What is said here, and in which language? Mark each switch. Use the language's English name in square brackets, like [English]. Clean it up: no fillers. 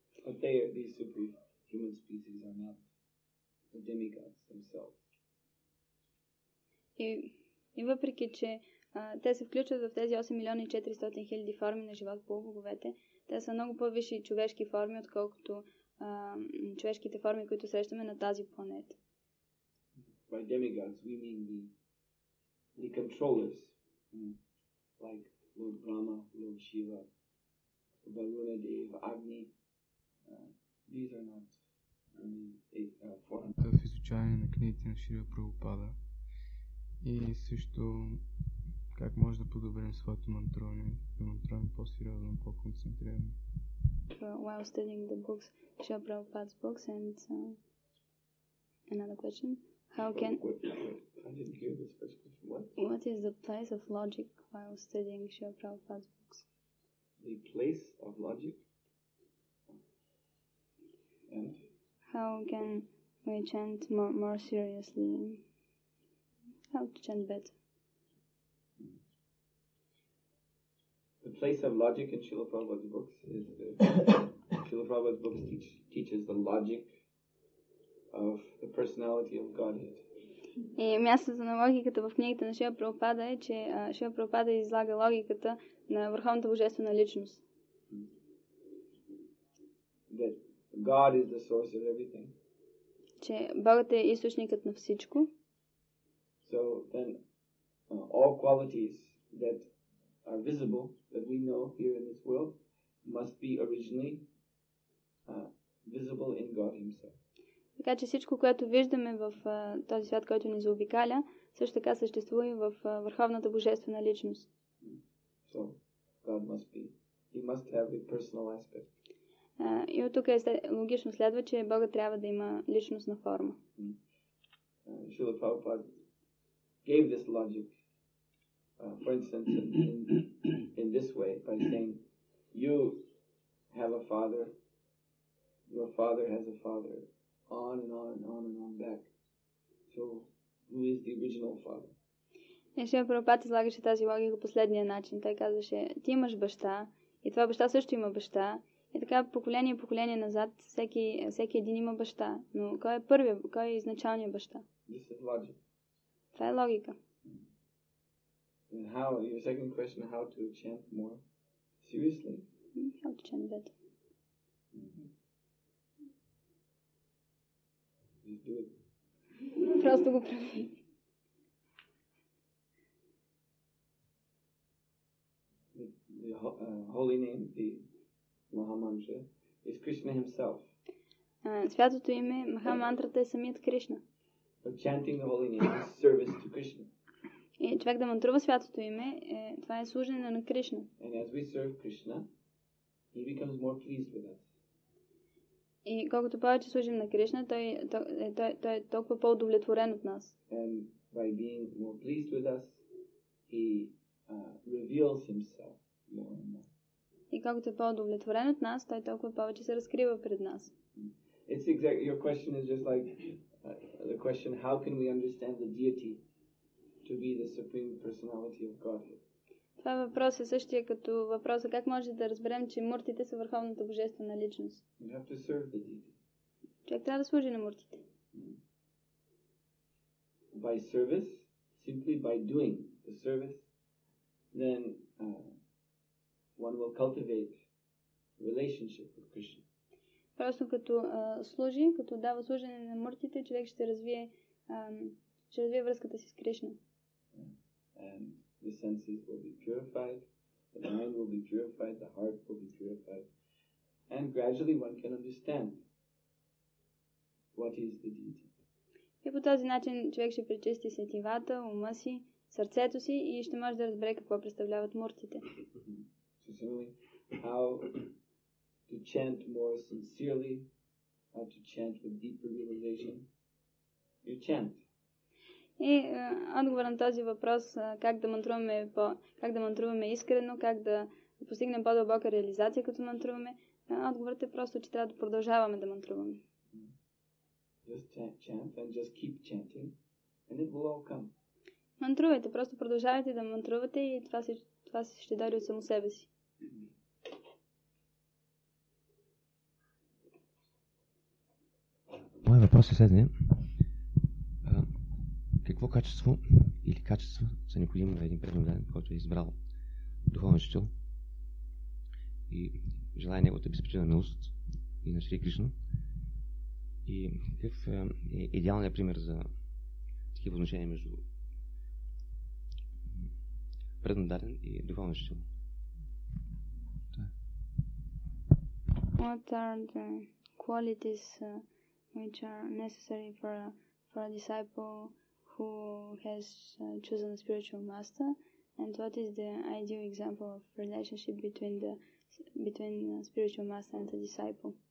[English] But these superhuman species are not the demigods themselves. [Bulgarian] И въпреки че те се включват в тези 8 милиона и 400 хиляди форми на живот по боговете, те са много по-висши човешки форми, отколкото човешките форми, които срещаме на тази планета. [English] By demigods, we mean the controllers, like Lord Brahma, Lord Shiva, Varuna Dev, Agni. These are not only 8 [Bulgarian] форми. В изучаване на книгите на Шрила Прабхупада, и също как може да подобрим своето мантроване, да мантроваме по-сериозно, по-концентрирано. [English] While studying the books, Shiva Prabhupada's books, and another question. I didn't hear this first question. What is the place of logic while studying Shiva Prabhupada's books? The place of logic? And? How can we chant more seriously? How to chant better? The place of logic in Srila Prabhupada's books is Srila Prabhupada's books teaches the logic of the personality of Godhead. [Bulgarian] И мястото на логиката в книгите на Шива Прабхупада е, че Шива Прабхупада излага логиката на върховната божествена личност. [English] That God is the source of everything. [Bulgarian] Че Богът е източникът на всичко. [English] So then all qualities that are visible, that we know here in this world, must be originally visible in God himself. [Bulgarian] Така че всичко, което виждаме в този свят, който ни заобикаля, също така съществува и в върховната божествена личност. [English] So, God must be. He must have a personal aspect. [Bulgarian] И от тук е логично следва, че Богът трябва да има личностна форма. [English] Шрила Прабхупада gave this logic, for instance, in this way, by saying, you have a father, your father has a father, on and on and on and on back. So, who is the original father? [Bulgarian] И Шрила Прабхупада излагаше тази логика по последния начин. Той казваше, ти имаш баща, и това баща също има баща, и така поколение и поколение назад, всеки един има баща. Но кой е първият, кой е изначалният баща? [English] This is logic. [Bulgarian] Това е логика. [English] And how, your second question, how to chant more seriously? How to chant better. [Bulgarian] Просто го прави. [English] The holy name, the Mahamantra, is Krishna himself. [Bulgarian] Святото име, Махамантрата, е самият Кришна. [English] But chanting the holy name is service to Krishna. [Bulgarian] И човек да мантрува святото име, това е служене на Кришна. [English] And as we serve Krishna, he becomes more pleased with us. [Bulgarian] И колкото повече служим на Кришна, той е толкова по-удовлетворен от нас. [English] And by being more pleased with us, he reveals himself more and more. [Bulgarian] И колкото е по-удовлетворен от нас, той толкова повече се разкрива пред нас. [English] It's exactly, your question is just like the question, how can we understand the deity to be the supreme personality of Godhead? [Bulgarian] Това въпрос е същия като въпроса как може да разберем, че муртите са върховната божествена личност. [English] You have to serve the deity. [Bulgarian] Човек трябва да служи на муртите. [English] By service, simply by doing the service, then one will cultivate relationship with Krishna. [Bulgarian] Просто като служи, като дава служене на муртите, човек ще развие връзката си с Кришна. [English] The senses will be purified, the mind will be purified, the heart will be purified, and gradually one can understand what is the deity. [Bulgarian] И по този начин човек ще пречисти сетивата, ума си, сърцето си и ще може да разбере какво представляват муртите. [English] sincerely, how to chant more sincerely, how to chant with deeper realization. You chant. [Bulgarian] И отговор на този въпрос, как да мантруваме по, как да мантруваме искрено, как да постигнем по-дълбока реализация, като мантруваме, отговорът е просто, че трябва да продължаваме да мантруваме. [English] Just chant and just keep chanting and it will all come. [Bulgarian] Мантрувайте, просто продължавайте да мантрувате и това, си, това си ще дари от само себе си. Моя въпрос е следния. Какво качество или качества са необходими на един преданен, който е избрал духовен учител и желая неговата обезпечена милост и на Шри Кришна? И какъв е идеалният пример за такива отношения между преданен и духовен учител? [English] What are the qualities which are necessary for a disciple who has chosen a spiritual master, and what is the ideal example of relationship between the spiritual master and the disciple?